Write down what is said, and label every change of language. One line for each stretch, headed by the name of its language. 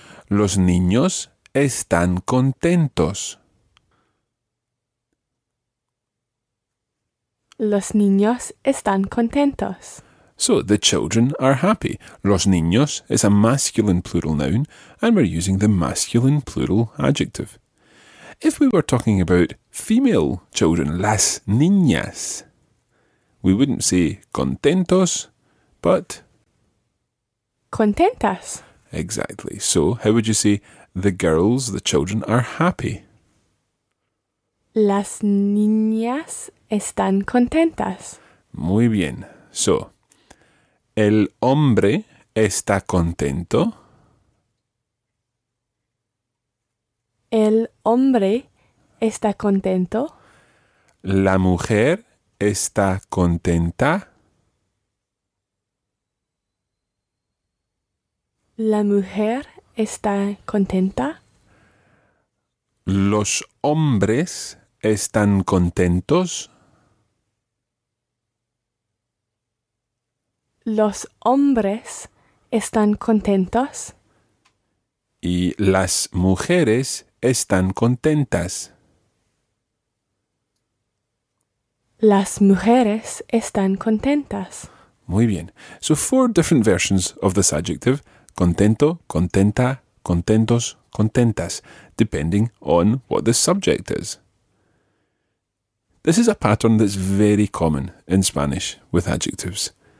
Spanish: Los niños están contentos. Los niños están contentos.
English: So, the children are happy.
Spanish: Los niños
English: is a masculine plural noun, and we're using the masculine plural adjective. If we were talking about female children,
Spanish: las niñas,
English: we wouldn't say contentos, but
Spanish: contentas.
English: Exactly. So, how would you say the girls, the children, are happy?
Spanish: Las niñas están contentas. Muy bien.
English: So,
Spanish: el hombre está contento. El hombre está contento. La mujer está contenta. La mujer está contenta. Los hombres están contentos. Los hombres están contentos. Y las mujeres están contentas. Las mujeres están contentas. Muy bien.
English: So four different versions of this adjective.
Spanish: Contento, contenta, contentos, contentas.
English: Depending on what the subject is. This is a pattern that's very common in Spanish with adjectives.